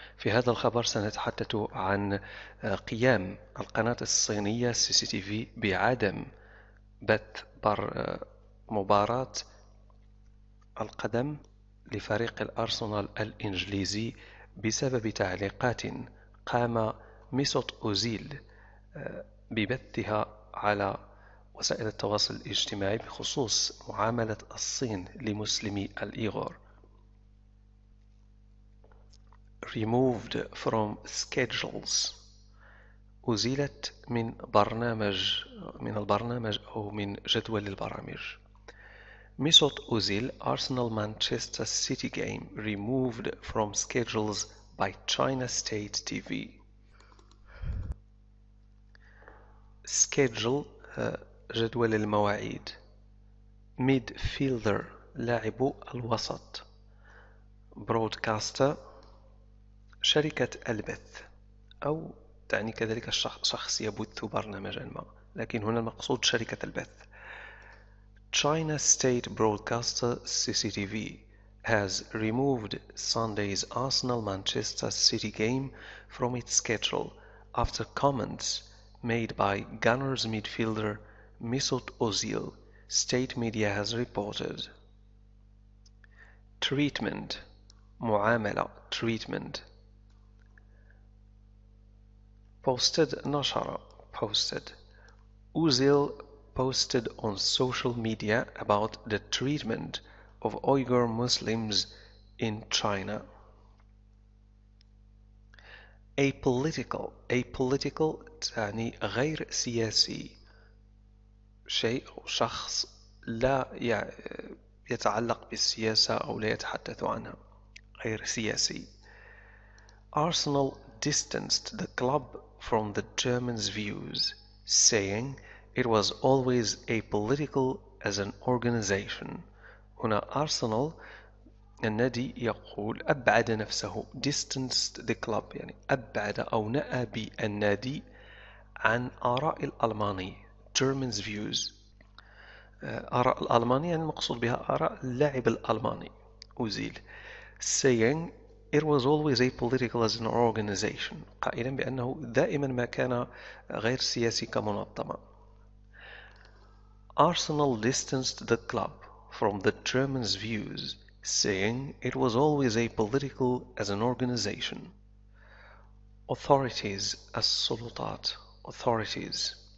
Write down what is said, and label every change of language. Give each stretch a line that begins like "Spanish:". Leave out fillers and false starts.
Arabic: في هذا الخبر سنتحدث عن قيام القناة الصينية سي سي تي في بعدم بث مباراة القدم لفريق الأرسنال الإنجليزي بسبب تعليقات قام ميسوت أوزيل ببثها على وسائل التواصل الاجتماعي بخصوص معاملة الصين لمسلمي الإيغور. Removed from schedules، أزيلت من برنامج من البرنامج أو من جدول البرامج.
English: Mesut Ozil Arsenal Manchester City game removed from schedules by China State TV.
Arabic: schedule جدول المواعيد. midfielder لاعب الوسط. broadcaster شركة البث، أو تعني كذلك شخص يبث برنامجا ما، لكن هنا المقصود شركة البث.
English: China State Broadcaster CCTV has removed Sunday's Arsenal Manchester City game from its schedule after comments made by Gunners midfielder Mesut Ozil, state media has reported. Treatment معاملة treatment posted نشر posted Ozil posted on social media about the treatment of Uyghur Muslims in China.
Arabic: apolitical تعني غير سياسي، شيء أو شخص لا يتعلق بالسياسة أو لا يتحدث عنها، غير سياسي.
English: Arsenal distanced the club from the Germans' views, saying it was always apolitical as an organization.
Arabic: هنا أرسنال النادي يقول أبعد نفسه، distanced the club يعني أبعد أو نأى بالنادي عن آراء الألماني، Germans' views، آراء الألماني يعني المقصود بها آراء اللاعب الألماني أوزيل، saying it was always apolitical as an organization، قائلا بأنه دائما ما كان غير سياسي كمنظمة.
English: Arsenal distanced the club from the Germans' views, saying it was always apolitical as an organization. Authorities, السلطات، authorities.